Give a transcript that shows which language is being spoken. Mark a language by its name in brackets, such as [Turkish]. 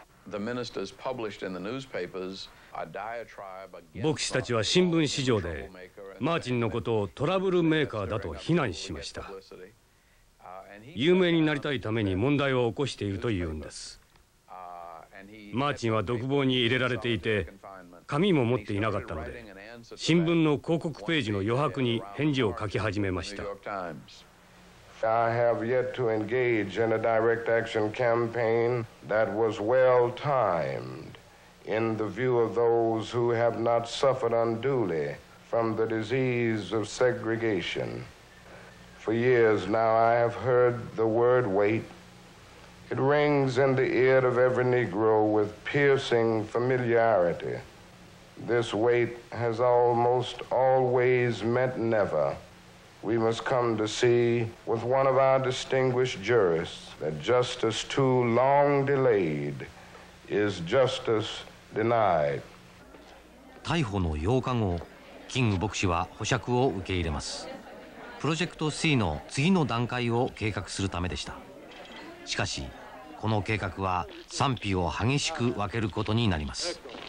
[Japanese] 牧師たちは新聞紙上でマーチンのことをトラブルメーカーだと非難しました。有名になりたいために問題を起こしているというんです。マーチンは独房に入れられていて紙も持っていなかったので新聞の広告ページの余白に返事を書き始めました。 [English] I have yet to engage in a direct action campaign that was well timed in the view of those who have not suffered unduly from the disease of segregation. For years now I have heard the word wait. It rings in the ear of every Negro with piercing familiarity. This wait has almost always meant never. We must come to see with one of our distinguished jurists that justice too long delayed is justice denied. [Japanese] 逮捕の8日後、キング牧師は保釈を受け入れます。プロジェクト C の次の段階を計画するためでした。しかし、この計画は賛否を激しく分けることになります。